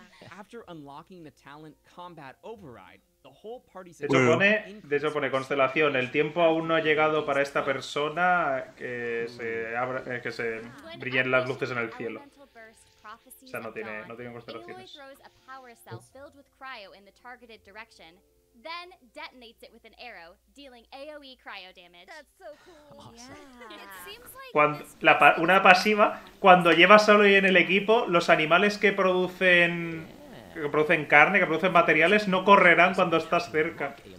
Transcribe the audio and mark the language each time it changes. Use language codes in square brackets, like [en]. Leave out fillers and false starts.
[en] After unlocking the talent Combat Override, the whole party. [es] De hecho pone constelación. El tiempo aún no ha llegado para esta persona que se brillen las luces en el cielo. prophecies. O sea, no tiene constelaciones. [en] Aloy throws a power cell filled with cryo in the targeted direction, then detonates it with an arrow, dealing AoE cryo damage. That's so cool. Awesome. Yeah. [es] Cuando, una pasiva, cuando llevas a Aloy en el equipo, los animales que producen carne, que producen materiales, no correrán cuando estás cerca.